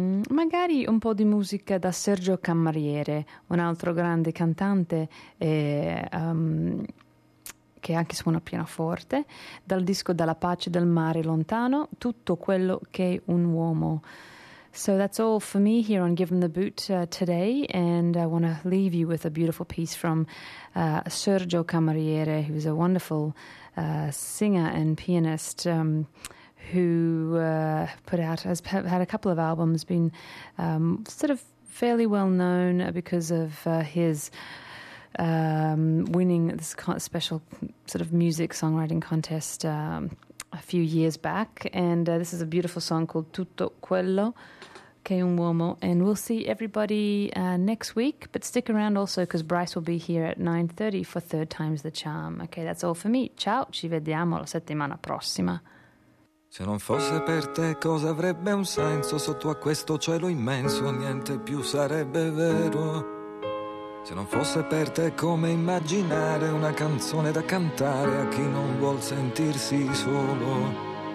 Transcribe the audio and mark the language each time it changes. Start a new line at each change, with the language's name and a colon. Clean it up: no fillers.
Italian: Magari un po' di musica da Sergio Cammariere, un altro grande cantante che anche suona pianoforte, dal disco Dalla pace del mare lontano, Tutto quello che è un uomo.
English: So that's all for me here on Give 'em the Boot today, and I want to leave you with a beautiful piece from Sergio Cammariere, who is a wonderful singer and pianist who had a couple of albums, been sort of fairly well known because of his winning this special sort of music songwriting contest a few years back. And this is a beautiful song called Tutto quello che un uomo. And we'll see everybody next week, but stick around also because Bryce will be here at 9:30 for Third Time's the Charm. Okay, that's all for me.
Italian: Ciao, ci vediamo la settimana prossima. Se non fosse per te, cosa avrebbe un senso sotto a questo cielo immenso? Niente più sarebbe vero. Se non fosse per te, come immaginare una canzone da cantare a chi non vuol sentirsi solo?